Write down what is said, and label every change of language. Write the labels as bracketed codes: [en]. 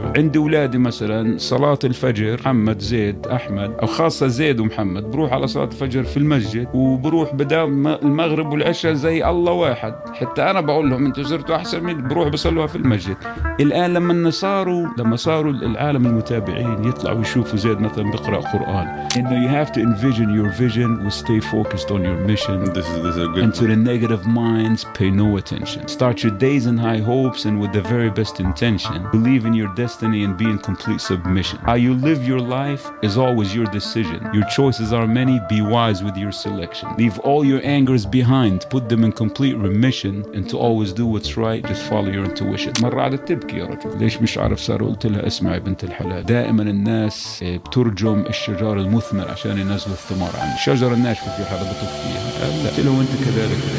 [ar] عندي أولادي مثلا صلاة الفجر، محمد زيد أحمد أو خاصة زيد ومحمد، بروح على صلاة الفجر في المسجد وبروح بدام المغرب والعشاء زي الله واحد. حتى أنا بقول لهم أنتوا زرتوا أحسن من بروح بصلوها في المسجد. الآن لما صاروا العالم المتابعين يطلعوا يشوفوا زيد مثلا بقرأ قرآن، إنه [en] you have to envision your vision and stay focused on your mission. This is a good and to the negative minds pay no attention. Start your days in high hopes and with the very best intention. Believe in your destiny and be in complete submission. How you live your life is always your decision. Your choices are many. Be wise with your selection. Leave all your angers behind. Put them in complete remission and to always do what's right. Just follow your intuition. [ar] مرة على تبكي يا رجل ليش مش عارف صار. قلت لها اسمعي بنت الحلال، دائما الناس بترجم الشجار المثمر عشان ينزل الثمار عنه. شجر الناشف في حالة بتفكيها قال لا انت كذلك.